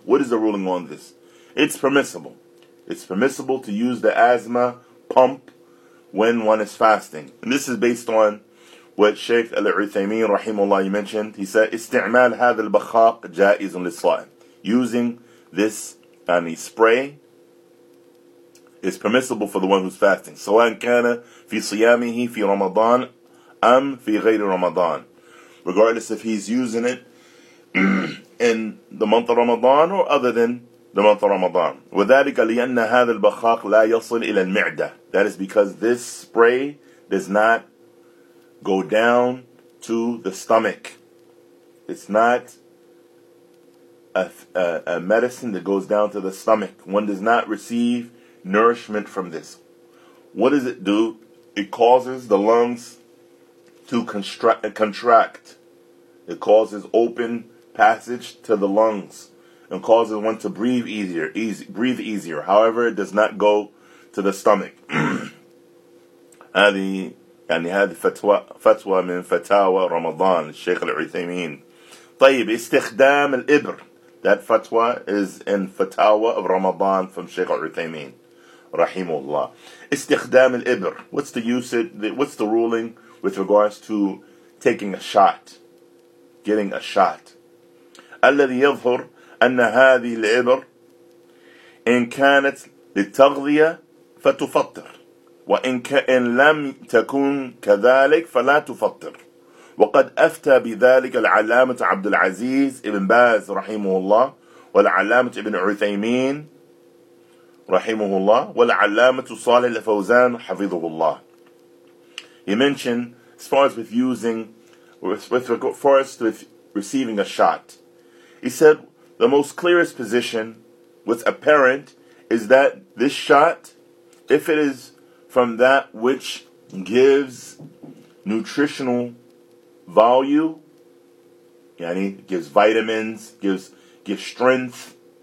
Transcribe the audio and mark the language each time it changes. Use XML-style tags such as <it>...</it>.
<en>What is the ruling on this? It's permissible. It's permissible to use the asthma pump when one is fasting. And this is based on what Sheikh Al-Uthaymeen rahimahullah mentioned. He said,</en> <ar>"Istimal hadh al-bakhaq ja'izun lis-sa'im."</ar> <en>Using this spray is permissible for the one who's fasting.</en> <ar>سواء كان في صيامه في رمضان أم في غير رمضان.</ar> <en>Regardless if he's using it in the month of Ramadan or other than the month of Ramadan.</en> <ar>وذلك لأن هذا البخاق لا يصل إلى المعدة.</ar> <en>That is because this spray does not go down to the stomach. It's not a medicine that goes down to the stomach. One does not receive nourishment from this. What does it do? It causes the lungs to contract. It causes open passage to the lungs and causes one to breathe easier. However, it does not go to the stomach.</en> <ar>هذه فتوى من فتاوى رمضان الشيخ العثيمين. طيب استخدام الإبر.</ar> <en>That fatwa is in Fatawa of Ramadan from Sheikh Al-Uthaymeen, rahimullah.</en> <ar>Istikhdam al-ibr.</ar> <en>What's the use? What's the ruling with regards to taking a shot, getting a shot?</en> <ar>الذي يظهر أن هذه الإبر إن كانت للتغذية فتفطر وإن كان لم تكون كذلك فلا تفطر. وقد أفتى بذلك العلامة عبد العزيز ابن باز رحمه الله والعلامة ابن عثيمين رحمه الله والعلامة صالح الفوزان حفظه الله.</ar> <en>He mentioned as far as with using, with receiving a shot. He said the most clearest position, what's apparent, is that this shot, if it is from that which gives nutritional value, yani gives vitamins, gives strength.</en>